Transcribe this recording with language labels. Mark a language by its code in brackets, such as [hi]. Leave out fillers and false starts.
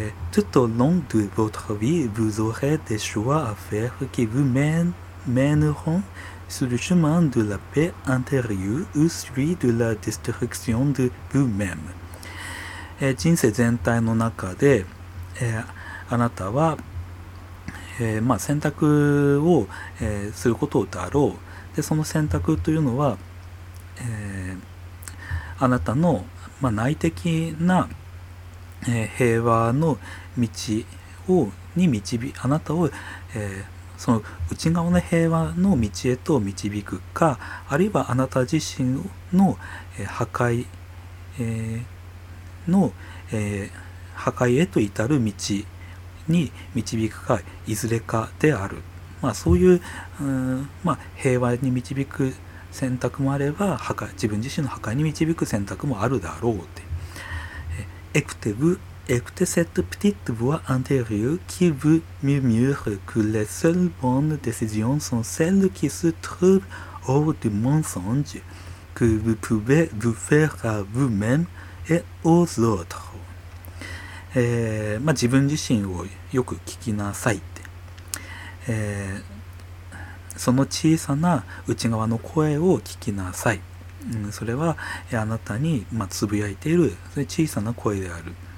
[fr] Tout au long de votre vie, vous aurez des choix à faire qui vous mèneront sur le chemin de la paix intérieure ou celui de la destruction de vous-même. [ja] 人生全体の中で、あなたは、選択を、することだろう。で、その選択というのは、あなたの、内的な、平和の道をに導き、あなたを、その内側の平和の道へと導くか、あるいはあなた自身の、破壊、の、破壊へと至る道に導くか、いずれかである。そういう、平和に導く選択もあれば、自分自身の破壊に導く選択もあるだろうって。 [fr] エクテ cette petite voix intérieure qui vous murmure que les seules bonnes décisions sont celles qui se trouvent hors du mensonge que vous pouvez vous faire à vous-même et aux autres. [ja] 自分自身をよく聞きなさいって。その小さな内側の声を聞きなさい。それはあなたにつぶやいている小さな声である。